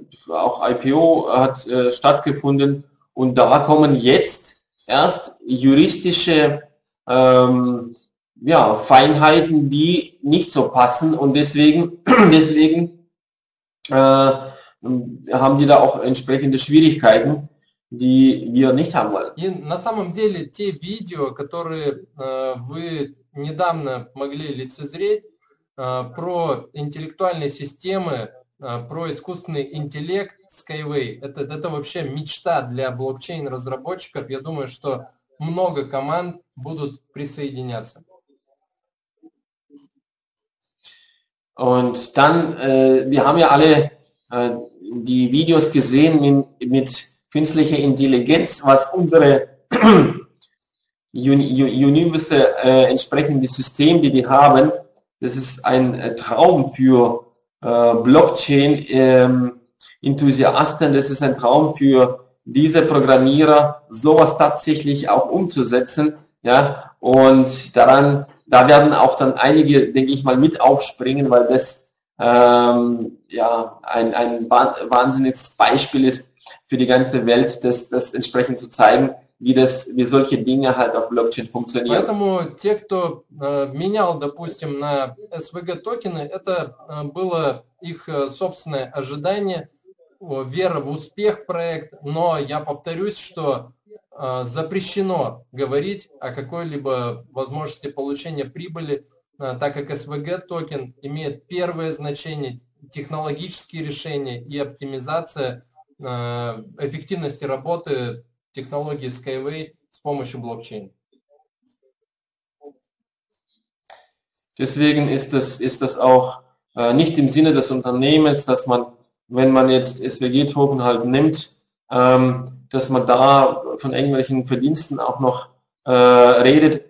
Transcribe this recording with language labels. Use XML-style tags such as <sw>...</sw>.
<de>auch IPO hat stattgefunden und da kommen jetzt erst juristische Feinheiten, die nicht so passen und deswegen haben die da auch entsprechende Schwierigkeiten, die wir nicht haben wollen.</de> <ru>И на самом деле те видео, которые вы недавно могли лицезреть про интеллектуальные системы, про искусственный интеллект Skyway, это вообще мечта для блокчейн-разработчиков. Я думаю, что много команд будут присоединяться.</ru> <de>Und dann, wir haben ja alle die Videos gesehen mit künstlicher Intelligenz, was unsere Universe entsprechende System, die die haben, das ist ein Traum für Blockchain-Enthusiasten, das ist ein Traum für diese Programmierer, sowas tatsächlich auch umzusetzen, ja, und daran da werden auch dann einige, denke ich mal, mit aufspringen, weil das ein wahnsinniges Beispiel ist für die ganze Welt, das entsprechend zu zeigen, wie solche Dinge halt auf Blockchain funktionieren.</de> <ru>Поэтому те, кто менял, допустим, на SVG токены, это было их собственное ожидание, вера в успех проект, но я повторюсь, что запрещено говорить о какой-либо возможности получения прибыли, так как SVG-токен имеет первое значение, технологические решения и оптимизация эффективности работы технологии Skyway с помощью блокчейна.</ru> <de>Deswegen ist das auch nicht im Sinne des Unternehmens, dass man, wenn man jetzt SVG-Token halt nimmt, dass man da von irgendwelchen Verdiensten auch noch redet.</de>